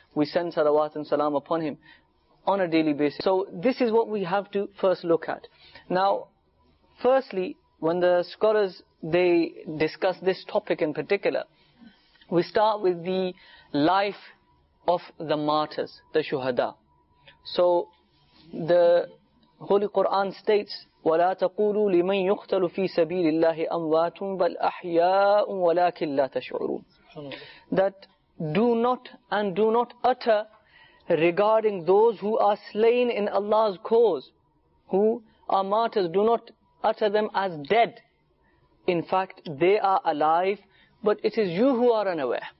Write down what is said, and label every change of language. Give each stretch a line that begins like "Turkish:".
English: We send salawat and salam upon him on a daily basis. So this is what we have to first look at. Now, firstly, when the scholars, they discuss this topic in particular, we start with the life of the martyrs, the shuhada. So the Holy Quran states,
Arabic: وَلَا تَقُولُوا لِمَنْ يُقْتَلُ فِي سَبِيلِ اللَّهِ أَمْوَاتٌ بَلْ أَحْيَاءٌ وَلَكِنْ لَا تَشْعُرُونَ.
English: That do not utter regarding those who are slain in Allah's cause, who are martyrs, do not utter them as dead. In fact, they are alive, but it is you who are unaware.